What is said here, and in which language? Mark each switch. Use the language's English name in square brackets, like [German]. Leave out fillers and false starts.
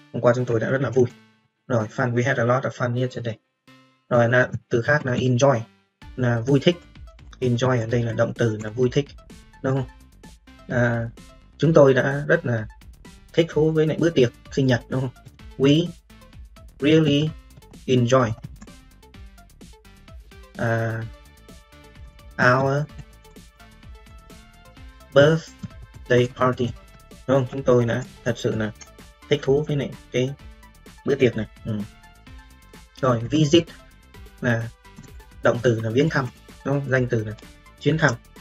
[Vietnamese] Hôm qua chúng tôi đã rất là vui. Rồi, [English] fun, we had a lot of fun yesterday. [Vietnamese] Rồi, là, từ khác là enjoy, là vui thích. Enjoy ở đây là động từ, là vui thích. Đúng không? Chúng tôi đã rất là thích thú với lại bữa tiệc sinh nhật, đúng không? [English] We really enjoy our birthday party, [Vietnamese] đúng không? Chúng tôi đã thật sự là thích thú với lại cái bữa tiệc này. Rồi visit là động từ là viếng thăm, đúng không? Danh từ là chuyến thăm.